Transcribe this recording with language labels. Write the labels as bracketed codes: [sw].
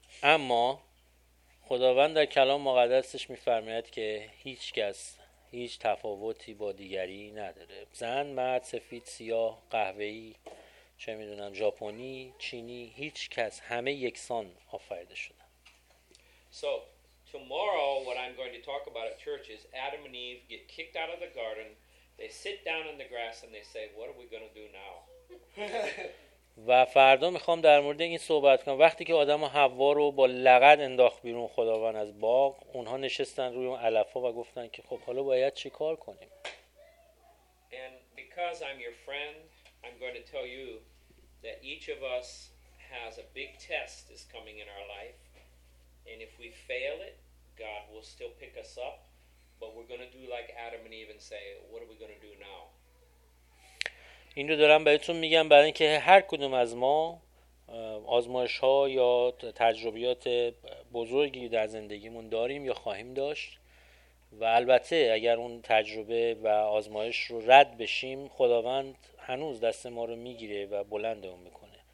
[fa] اما خداوند در کلام مقدسش می‌فرماید که هیچ کس هیچ تفاوتی با دیگری نداره. زن، مرد، سفید، سیاه، قهوه‌ای، چه می‌دونم، ژاپنی، چینی، هیچ کس، همه یکسان آفریده شدند. [en] So, tomorrow what I'm going to talk about at church is Adam and Eve get kicked out of the garden. They sit down in the grass and they say, "What are we going to do now?" [fa] و فردا میخوام در مورد این صحبت کنم. وقتی که آدم و حوا رو با لگد انداخت بیرون خداوند از باغ، اونها نشستن روی اون علفا و گفتن که خب حالا باید چیکار کنیم؟ [en] And because I'm your friend, I'm going to tell you that each of us has a big test is coming in our life. And if we fail it, God will still pick us up. But we're going to do like Adam and Eve and say, what are we going to do now? [fa] این رو دارم بهتون میگم برای اینکه هر کدوم از ما آزمایش ها یا تجربیات بزرگی در زندگیمون داریم یا خواهیم داشت، و البته اگر اون تجربه و آزمایش رو رد بشیم، خداوند هنوز دست ما رو میگیره و بلندمون میکنه.